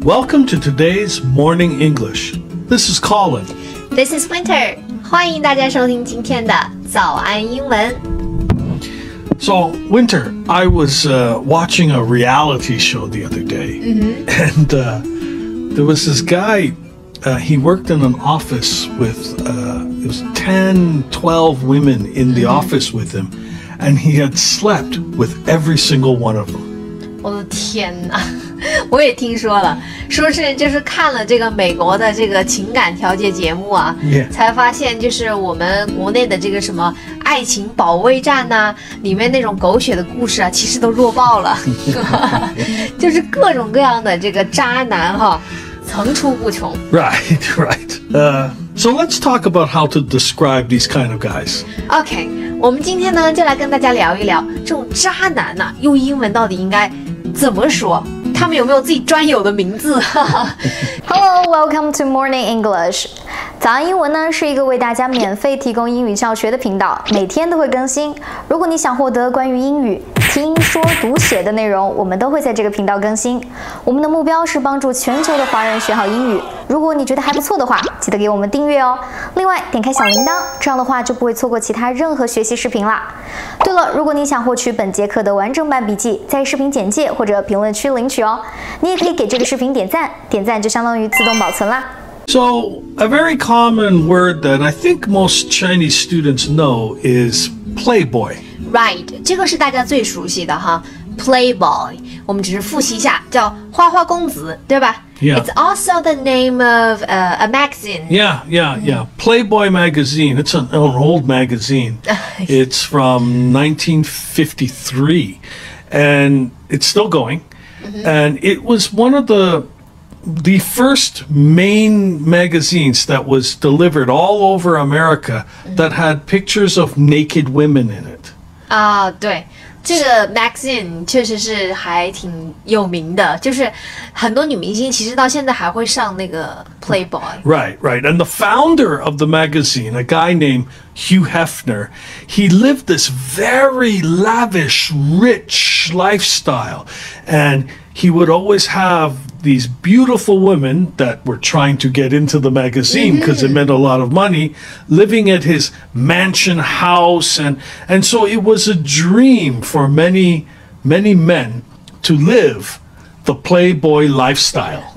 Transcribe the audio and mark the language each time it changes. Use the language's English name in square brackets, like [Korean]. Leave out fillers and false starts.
[English] Welcome to today's Morning English. This is Colin. This is Winter. [Chinese] 欢迎大家收听今天的早安英文。 [English] So, Winter, I was watching a reality show the other day. Mm-hmm. And there was this guy, he worked in an office with, it was 10, 12 women in the office with him. And he had slept with every single one of them. [Chinese] 我的天哪。我也听说了，说是就是看了这个美国的这个情感调解节目啊、 [English] yeah. [Chinese] 才发现就是我们国内的这个什么爱情保卫战啊里面那种狗血的故事啊其实都弱爆了就是各种各样的这个渣男哈、啊、层出不穷 [English] Right, right. So let's talk about how to describe these kind of guys. [Chinese] Okay, 我们今天呢就来跟大家聊一聊这种渣男啊用英文到底应该怎么说他们有没有自己专有的名字 [English] Hello, welcome to Morning English [Chinese] 早安英文呢是一个为大家免费提供英语教学的频道每天都会更新如果你想获得关于英语听说读写的内容我们都会在这个频道更新我们的目标是帮助全球的华人学好英语如果你觉得还不错的话记得给我们订阅哦另外点开小铃铛这样的话就不会错过其他任何学习视频啦对了如果你想获取本节课的完整版笔记在视频简介或者评论区领取哦你也可以给这个视频点赞点赞就相当于自动保存啦 [English] So a very common word that I think most Chinese students know is playboy [Chinese] Right, 这个是大家最熟悉的哈 Playboy 我们只是复习一下叫花花公子对吧 [English] Yeah. It's also the name of a magazine. Yeah, yeah, yeah. Playboy magazine. It's an old magazine. It's from 1953. And it's still going. Mm-hmm. And it was one of the first main magazines that was delivered all over America that had pictures of naked women in it. [Chinese] 啊、对。这个 magazine 确实是还挺有名的就是很多女明星其实到现在还会上那个 Playboy [English] Right, right And the founder of the magazine A guy named Hugh Hefner He lived this very lavish, rich lifestyle And he would always have these beautiful women That were trying to get into the magazine Because it meant a lot of money Living at his mansion house And so it was a dream for many, many men To live the playboy lifestyle